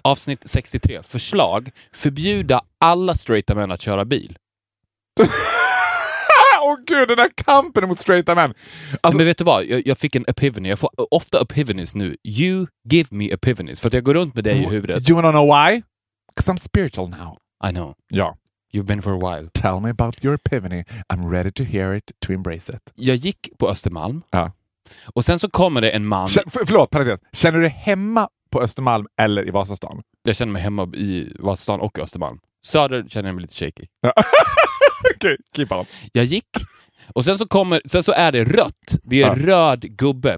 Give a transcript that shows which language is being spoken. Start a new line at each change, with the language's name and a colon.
Swedish: Avsnitt 63. Förslag. Förbjuda alla straighta män att köra bil. Åh gud, den här kampen mot straighta män. Alltså, men vet du vad? Jag fick en epiphany. Jag får ofta epiphanies nu.
English: You give me epiphanies.
Swedish: För att jag går runt med dig i huvudet.
English: Do you wanna know why? Because I'm spiritual now. I know.
Swedish: Ja.
English: You've been for a while. Tell me about your epiphany. I'm ready to hear it, to embrace it.
Swedish: Jag gick på Östermalm. Ja. Och sen så kommer det en man. Förlåt, känner du dig hemma på Östermalm eller i Vasastan? Jag känner mig hemma i Vasastan och Östermalm. Söder känner jag mig lite shaky.
English: Okej, okay, keep on.
Swedish: Jag gick. Och sen så är det rött. Det är röd gubbe.